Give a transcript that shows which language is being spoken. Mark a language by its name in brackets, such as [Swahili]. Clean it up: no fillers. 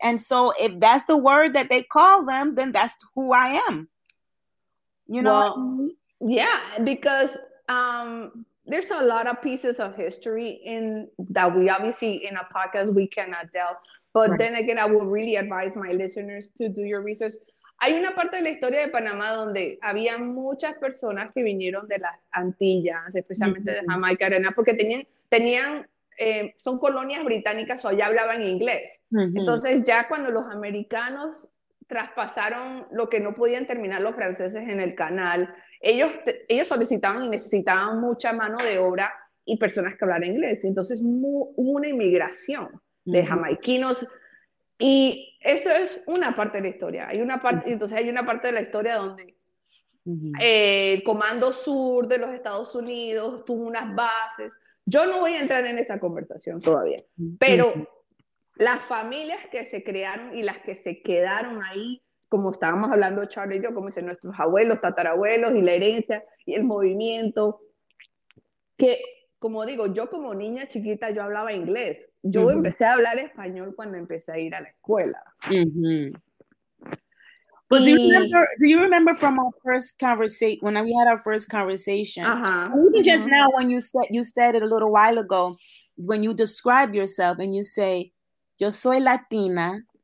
[English] And so if that's the word that they call them, then that's who I am. You know? Well, yeah, because there's a lot of pieces of history in that we obviously in a podcast we cannot delve. But right. Then again, I would really advise my listeners to do your research. [Spanish] Hay una parte de la historia de Panamá donde había muchas personas que vinieron de las Antillas, especialmente de Jamaica, Arena, porque tenían son colonias británicas, o allá hablaban inglés. Uh-huh. Entonces, ya cuando los americanos traspasaron lo que no podían terminar los franceses en el canal. Ellos solicitaban y necesitaban mucha mano de obra y personas que hablaran inglés. Entonces hubo una inmigración de jamaiquinos. Y eso es una parte de la historia. Hay una parte, entonces hay una parte de la historia donde el Comando Sur de los Estados Unidos tuvo unas bases. Yo no voy a entrar en esa conversación todavía, pero las familias que se crearon y las que se quedaron ahí, como estábamos hablando Charlie y yo, como dicen nuestros abuelos, tatarabuelos, y la herencia y el movimiento, que, como digo, yo como niña chiquita yo hablaba inglés. Yo empecé a hablar español cuando empecé a ir a la escuela. [English] But do you remember from our first conversation, when we had our first conversation, just now when you said it a little while ago, when you describe yourself and you say, [Spanish] yo soy Latina,